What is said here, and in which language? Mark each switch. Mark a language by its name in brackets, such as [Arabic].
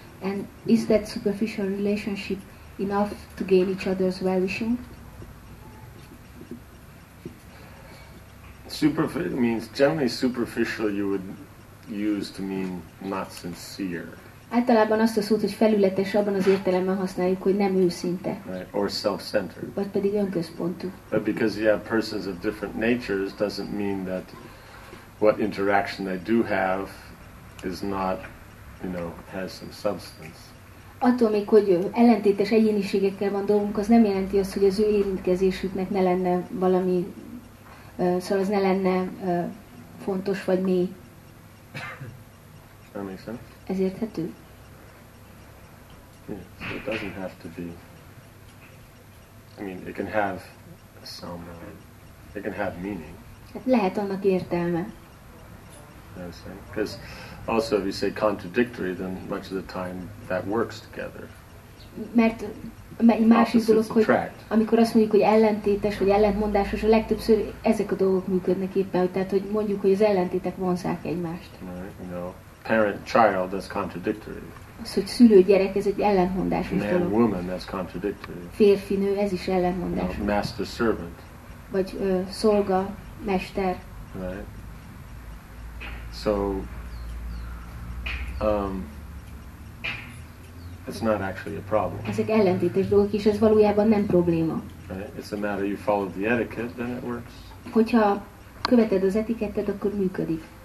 [English] And is that superficial relationship enough to gain each other's well-wishing? Superficial means generally superficial you would use to mean not sincere. [Hungarian] Általában azt a szót, hogy felületes, abban az értelemben használjuk, hogy nem őszinte. [English] Right, or self-centered. [Hungarian] Vagy pedig önközpontú. [English] But because you have persons of different natures doesn't mean that what interaction they do have is not, you know, has some substance. [Hungarian] Attól még, hogy ellentétes egyéniségekkel van dolgunk, az nem jelenti azt, hogy az ő érintkezésüknek ne lenne valami, szóval az ne lenne fontos vagy mély. [English] That makes sense. [Hungarian] Ez érthető? [English] Yeah, so it doesn't have to be. I mean, it can have some. It can have meaning. [Hungarian] Hát lehet annak értelme. [English] Because also, if you say contradictory, then much of the time that works together. [Hungarian] Mert egy másik dolog, hogy amikor azt mondjuk, hogy ellentétes vagy ellentmondásos, a legtöbbször ezek a dolgok működnek éppen, tehát hogy mondjuk, hogy az ellentétek vonzák egymást. [English] Right, you know. Parent-child, that's contradictory. [Hungarian] Az, hogy szülő-gyerek, ez egy ellentmondásos dolog. [English] Man-woman, that's contradictory. [Hungarian] Férfi-nő, ez is ellentmondásos. [English] No, master-servant. [Hungarian] Vagy szolga, mester. [English] Right. So, it's not actually a problem. [Hungarian] Ezek ellentétes dolgok, és ez valójában nem probléma. Right. [English] It's a matter you follow the etiquette, then it works. [Hungarian] Hogyha követed az etikettet, akkor működik.